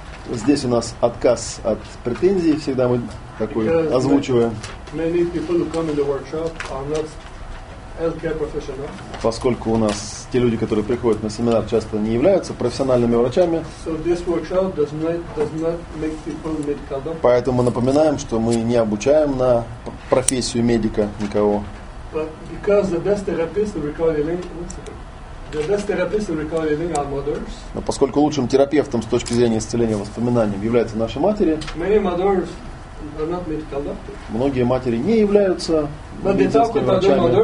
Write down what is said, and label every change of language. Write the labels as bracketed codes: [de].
[ru] Здесь у нас отказ от претензий, всегда мы такой [en] Because [ru] озвучиваем. [en] Many people who come in the workshop are not healthcare professionals. [ru] Поскольку у нас те люди, которые приходят на семинар, часто не являются профессиональными врачами. [en] So this workshop does not make people medical doctors. [ru] Поэтому мы напоминаем, что мы не обучаем на профессию медика никого. [en] But because the best therapists are recalling our mothers. [ru] Но поскольку лучшим терапевтом с точки зрения исцеления воспоминаниям являются наши матери. [en] Many mothers are not medical doctors. [ru] Многие матери не являются медицинскими врачами.